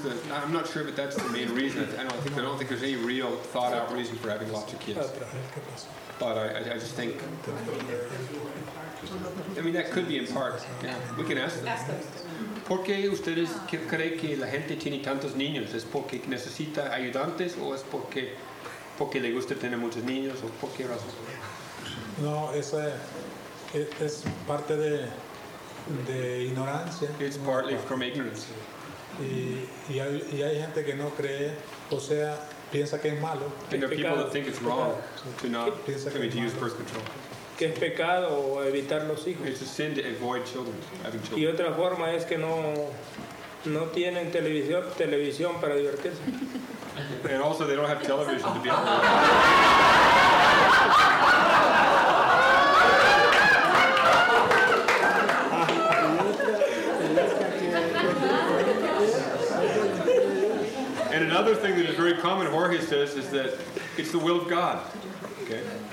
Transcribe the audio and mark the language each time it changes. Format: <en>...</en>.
<en>I'm not sure, but that's the main reason. I don't think there's any real thought out reason for having lots of kids. But I just think, I mean, that could be in part. Yeah, we can ask them. Ask them.</en> <es>¿Por qué ustedes creen que la gente tiene tantos niños? ¿Es porque necesita ayudantes o es porque le gusta tener muchos niños o por qué razón? No, esa es parte de ignorancia.</es> <en>It's partly from ignorance.</en> <es>Y hay gente que no cree, o sea, piensa que es malo.</es> <en>And there are people that think it's wrong to use birth control.</en> <es>Que es pecado evitar los hijos.</es> <en>It's a sin to avoid children, having children.</en> <es>Y otra forma es que no tienen televisión para divertirse.</es> <en>And also they don't have television to be able to. And another thing that is very common, Jorge says, is that it's the will of God. Okay.</en>